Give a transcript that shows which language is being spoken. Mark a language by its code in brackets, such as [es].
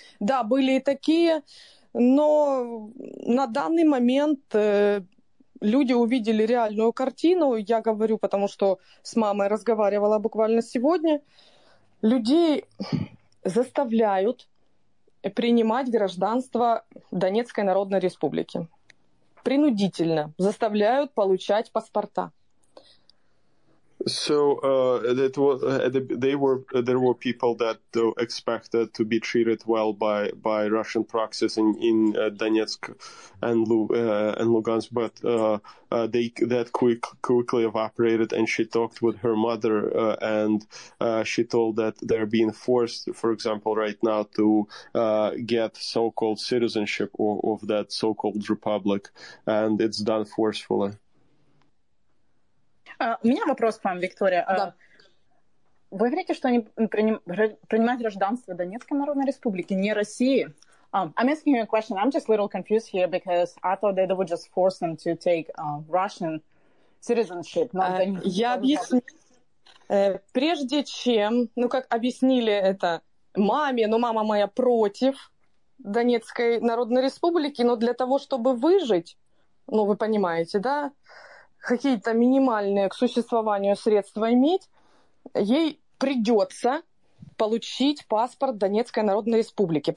[ru] Да, были и такие, но на данный момент люди увидели реальную картину, я говорю, потому что с мамой разговаривала буквально сегодня. Людей заставляют принимать гражданство Донецкой Народной Республики. Принудительно заставляют получать паспорта. [en] So that was there were people that expected to be treated well by Russian proxies in Donetsk and Lugansk, but they quickly evaporated. And she talked with her mother, she told that they're being forced, for example, right now to get so-called citizenship of that so-called republic, and it's done forcefully. [ru] У меня вопрос к вам, Виктория. Да. Вы говорите, что они принимают гражданство Донецкой Народной Республики, не России. [en] I'm asking you a question. I'm just a little confused here because I thought that they would just force them to take Russian citizenship. [ru] Я объясню. Прежде чем, как объяснили это маме, но мама моя против Донецкой Народной Республики, но для того, чтобы выжить, вы понимаете, да, какие-то минимальные к существованию средства иметь, ей придется получить паспорт Донецкой Народной Республики.